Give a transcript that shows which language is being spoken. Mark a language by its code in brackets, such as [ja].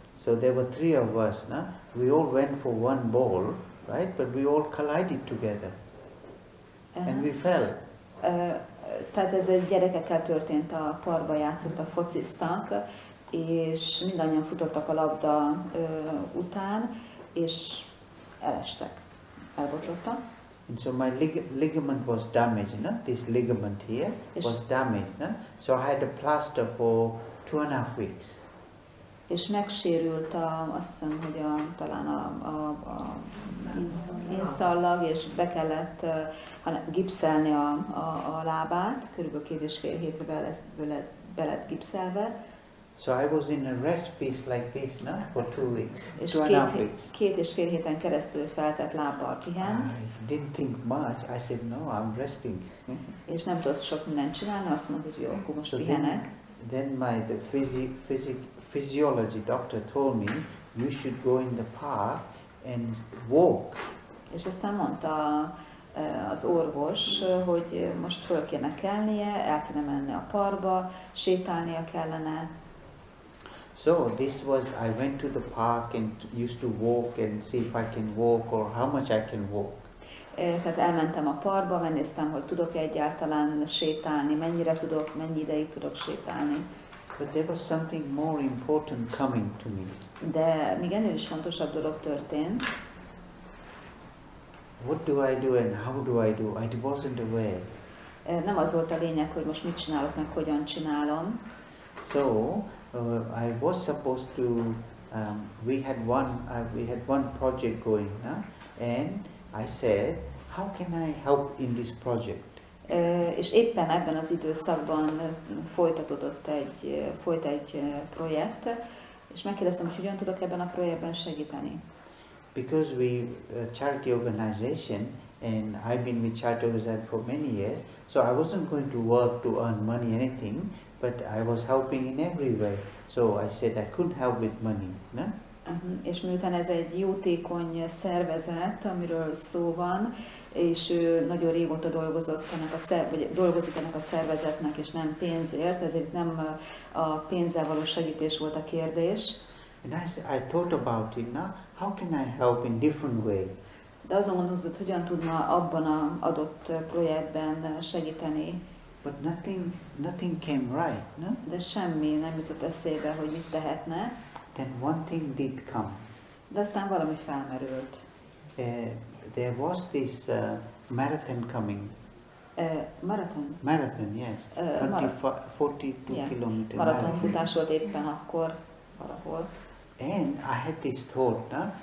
[en] So there were three of us, no? We all went for one ball, right? But we all collided together. And we fell. [hu] Tehát ez egy gyerekekkel történt, a parkba játszott a focisztánk, és mindannyian futottak a labda után, és elestek, elbotlottak. [en] And so my ligament was damaged, no? This ligament here was damaged, no? So I had a plaster for 2.5 weeks. [hu] És megsérült a, azt hiszem, hogy a, talán a inszallag, és be kellett gipszelni a lábát, körülbelül 2.5 hétre be lett gipszelve. [en] So I was in a rest piece like this, no? For 2 weeks, [hu] és [en] 2.5 weeks. [hu] 2.5 héten keresztül feltett lábbal pihent. [en] I didn't think much. I said, no, I'm resting. [hu] És nem tudott sok mindent csinálni, azt mondta, hogy jó, akkor most [en] so [hu] pihenek. [en] Then my physiology doctor told me you should go in the park and walk. [hu] És aztán mondta az orvos, hogy most föl kéne kelnie, el kéne menni a parkba, sétálnia kellene. [en] So this was, I went to the park and used to walk and see if I can walk or how much I can walk. [hu] Tehát elmentem a parkba, megnéztem, hogy tudok egyáltalán sétálni, mennyire tudok, mennyi ideig tudok sétálni. [en] But there was something more important coming to me. [hu] De még ennél is fontosabb dolog történt. [en] What do I do and how do I do? I wasn't aware. [hu] Nem az volt a lényeg, hogy most mit csinálok, meg hogyan csinálom. [en] So, I was supposed to, we had one project going, no? And I said, how can I help in this project? [hu] És éppen ebben az időszakban folyt egy projekt, és megkérdeztem, hogy hogyan tudok ebben a projektben segíteni. [en] Because we a charity organization and I've been with charity organization for many years, so I wasn't going to work to earn money anything, but I was helping in every way. So I said I couldn't help with money, no? [hu] És miután ez egy jótékony szervezet, amiről szó van, és ő nagyon régóta dolgozik ennek a szervezetnek, és nem pénzért, ezért nem a pénzzel való segítés volt a kérdés. [en] And I thought about it, now, how can I help in different way? [hu] De azon gondolkozott, hogyan tudna abban a adott projektben segíteni. [en] But nothing came right, no? [hu] De semmi nem jutott eszébe, hogy mit tehetne. [en] Then one thing did come. [hu] De aztán valami felmerült. [en] There was this marathon coming. Marathon? Marathon, yes. 42 yeah. Kilometer marathon. [hu] Maraton futás volt éppen akkor valahol. [en] And I had this thought, no?